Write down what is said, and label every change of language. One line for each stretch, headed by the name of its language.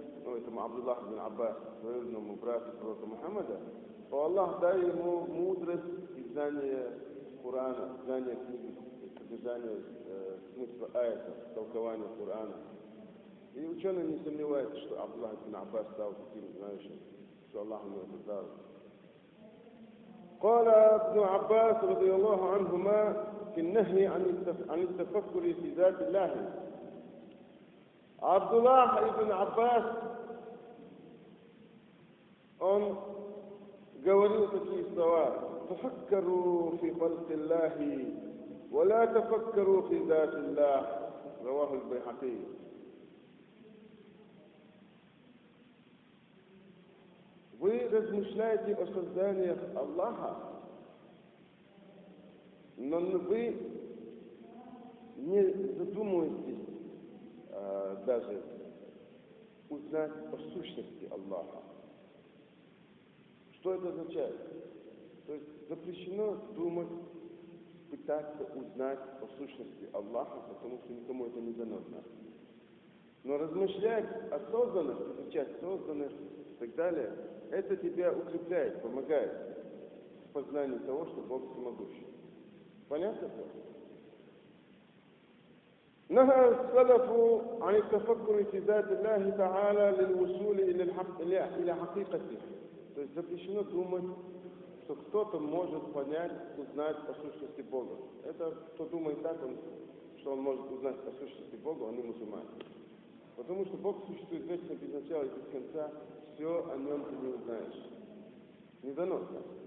Russian: поэтому Абдуллах ибн Аббас, верному брату пророка Мухаммада, то Аллах дай ему мудрость и знание Курана, знание книги, содержание смысла аята, толкование Курана. И ученые не сомневаются, что Абдуллах ибн Аббас стал таким знающим, что Аллах ему это дал.
Arabic: قال ابن عباس رضي الله عنهما في النهي عن التفكر في ذات الله عبد الله ابن عباس
Russian: он говорил такие слова:
Arabic: تفكروا في خلق الله ولا تفكروا في ذات الله رواه البيهقي.
Russian: Вы размышляете о созданиях Аллаха, но вы не задумываетесь даже узнать о сущности Аллаха. Что это означает? То есть запрещено думать, пытаться узнать о сущности Аллаха, потому что никому это не дано знать. Но размышлять о созданных, изучать созданных и так далее, это тебя укрепляет, помогает в познании того, что Бог всемогущий. Понятно это?
Arabic: نهى السلف عن التفكر في ذات الله تعالى للوصول الى الحق الى حقيقته.
Russian: То есть запрещено думать, что кто-то может понять, узнать о сущности Бога. Это кто думает так, что он может узнать о сущности Бога, он не мусульман. Потому что Бог существует вечно, без начала и без конца. Все о нем ты не узнаешь. Не дано так.